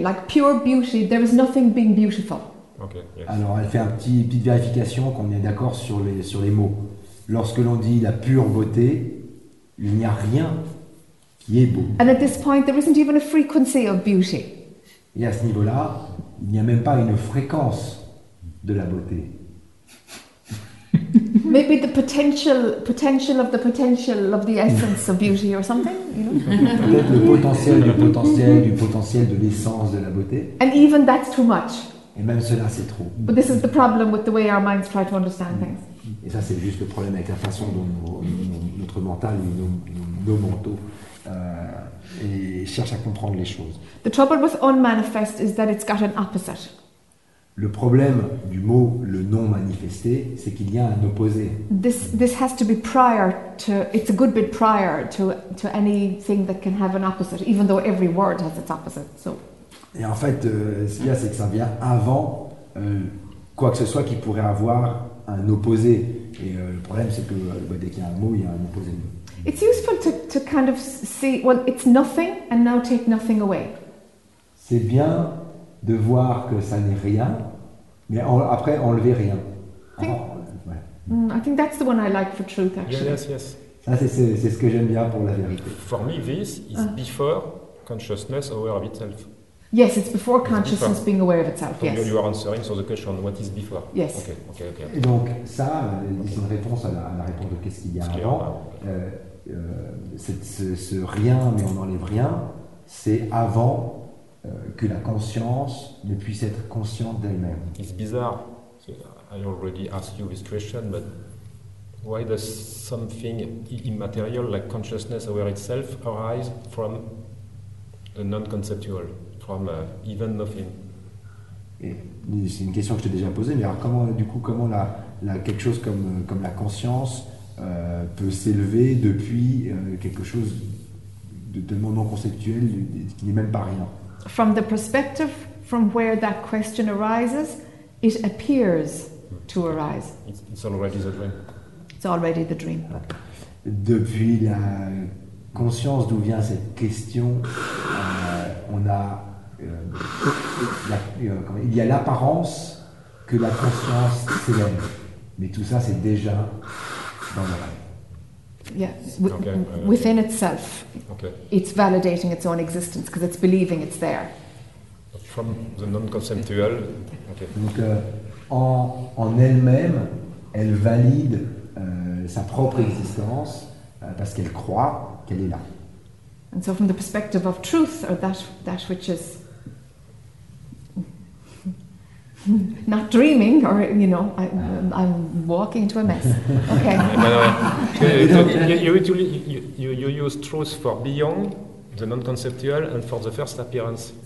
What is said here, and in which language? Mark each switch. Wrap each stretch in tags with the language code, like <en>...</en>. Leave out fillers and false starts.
<en>Like pure beauty, there is nothing being beautiful. Okay. Yes.</en> <fr>Alors, elle fait une petite vérification qu'on est d'accord sur les mots. Lorsque l'on dit la pure beauté, il n'y a rien qui est beau.</fr> <en>And at this point, there isn't even a frequency of beauty.</en> <fr>Et à ce niveau-là, il n'y a même pas une fréquence de la beauté.</fr> <en>Maybe the potential of the potential of the essence of beauty or something, you know?</en> <fr>Peut-être le potentiel du potentiel du potentiel de l'essence de la beauté.</fr> <en>And even that's too much.</en> <fr>Et même cela, c'est trop.</fr> <en>But this is the problem with the way our minds try to understand things.</en> <fr>Et ça, c'est juste le problème avec la façon dont notre mental nous deux manteaux et cherche à comprendre les choses.</fr> <en>The trouble with unmanifest is that it's got an opposite.</en> <fr>Le problème du mot le non manifesté, c'est qu'il y a un opposé.</fr> <en>This has to be prior to, it's a good bit prior to anything that can have an opposite, even though every word has its opposite. So.</en> <fr>Et en fait, ce qu'il y a, c'est que ça vient avant quoi que ce soit qui pourrait avoir un opposé. Et le problème, c'est que dès qu'il y a un mot, il y a un opposé.</fr> <en>It's useful to kind of see, well, it's nothing and now take nothing away.</en> <fr>C'est bien de voir que ça n'est rien, mais après enlever rien.</fr> <en>I think that's the one I like for truth, actually. Yes.</en> <fr>Ça, c'est ce que j'aime bien pour la vérité.</fr> <en>For me, this is before consciousness aware of itself. Yes, it's before consciousness before. Being aware of itself. So yes. You are answering</en> <fr>sur</fr> <en>the question what is before. Yes. Okay.</en> <fr>Et donc ça, c'est une réponse à la réponse de qu'est-ce qu'il y a avant. Ce rien, mais on n'enlève rien, c'est avant que la conscience ne puisse être consciente d'elle-même.</fr> <en>It's bizarre. So I already asked you this question, but why does something immaterial like consciousness aware itself arise from the non-conceptual? From even nothing.</en> <fr>Et c'est une question que je t'ai déjà posée, mais alors comment la quelque chose comme la conscience peut s'élever depuis quelque chose de tellement non conceptuel qui n'est même pas rien.</fr> <en>From the perspective from where that question arises, it appears to arise. It's already the dream. It's already the dream.</en> <fr>Depuis la conscience d'où vient cette question, on a il y a l'apparence que la conscience s'élève, mais tout ça c'est déjà dans le rêve.</fr> <en>Yes, within itself, okay. It's validating its own existence because it's believing it's there. From the non-conceptual, okay.</en> <fr>Donc en elle-même, elle valide sa propre existence parce qu'elle croit qu'elle est là.</fr> <en>And so, from the perspective of truth, or that which is not dreaming, or you know, I'm walking into a mess. Okay. you use truth for beyond the non-conceptual and for the first appearance.</en>